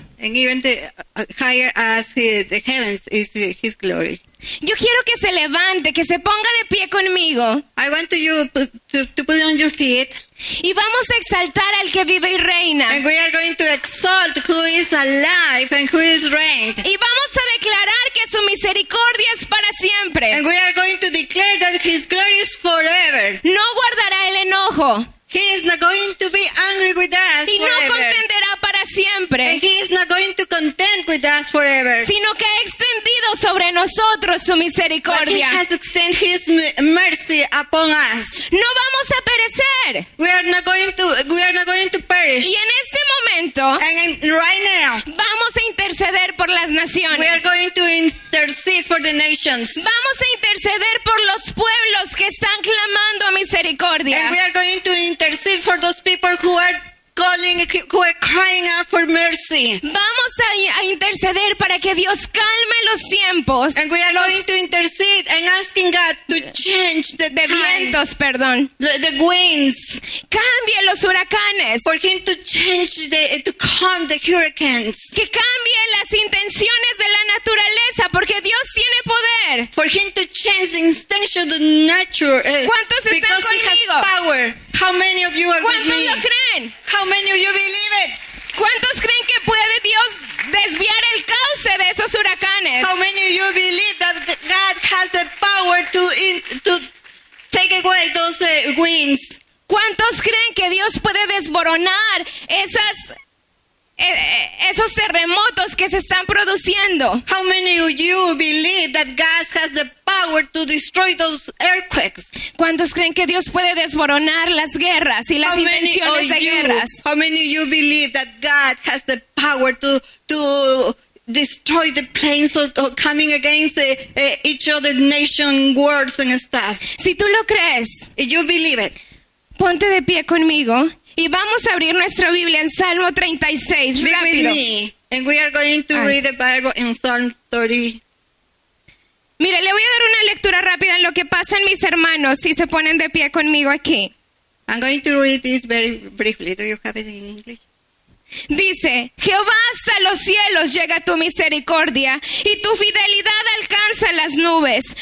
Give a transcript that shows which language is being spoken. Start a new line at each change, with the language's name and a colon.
English: And even the higher as the heavens is his glory.
Spanish: Yo quiero que se levante, que se ponga de pie conmigo.
English: I want you to put on your feet.
Spanish: Y vamos a exaltar al que vive y reina.
English: And we are going to exalt who is alive and who is reigned.
Spanish: Y vamos a declarar que su misericordia es para siempre.
English: And we are going to declare that his glory is forever.
Spanish: No guardará el enojo.
English: He is not going to be angry with us
Spanish: y
English: forever.
Spanish: Y no contenderá para siempre.
English: And he is not going to contend with us forever.
Spanish: Sino que ha extendido sobre nosotros su misericordia.
English: But he has extended his mercy upon us.
Spanish: No vamos a perecer.
English: We are not going to perish.
Spanish: Y en este momento,
English: and right now,
Spanish: vamos a interceder por las naciones.
English: We are going to intercede for the nations.
Spanish: Vamos a interceder por los pueblos que están clamando misericordia.
English: And we are going to intercede for those people who are crying out for mercy.
Spanish: Vamos a interceder para que Dios calme los tiempos.
English: And we are going to intercede and asking God to change the
Spanish: vientos, perdón.
English: The winds.
Spanish: Cambie los huracanes.
English: For him to change to calm the hurricanes.
Spanish: Que cambie las intenciones de la naturaleza porque Dios tiene poder.
English: For him to change the intention of the nature.
Spanish: ¿Cuántos están
English: because
Spanish: conmigo?
English: He has power. How many of you are
Spanish: ¿cuántos
English: with me?
Spanish: Lo creen?
English: How many of you believe it?
Spanish: ¿Cuántos creen que puede Dios desviar el cauce de esos huracanes?
English: How many of you believe that God has the power to take away those winds?
Spanish: ¿Cuántos creen que Dios puede desboronar esos terremotos que se están produciendo?
English: How many of you believe that God has the power to destroy those earthquakes?
Spanish: ¿Cuántos creen que Dios puede desboronar las guerras y las intenciones de guerras?
English: How many of you believe that God has the power to destroy the plains of coming against each other nation wars and stuff?
Spanish: Si tú lo crees,
English: if you believe it,
Spanish: ponte de pie conmigo. Y vamos a abrir nuestra Biblia en Salmo 36, rápido.
English: Be with me, and we are going to read the Bible in Psalm 30.
Spanish: Mire, le voy a dar una lectura rápida en lo que pasan mis hermanos si se ponen de pie conmigo aquí.
English: I'm going to read this very briefly. Do you have it in English?
Spanish: Dice, Jehová, hasta los cielos llega tu misericordia y tu fidelidad alcanza las nubes.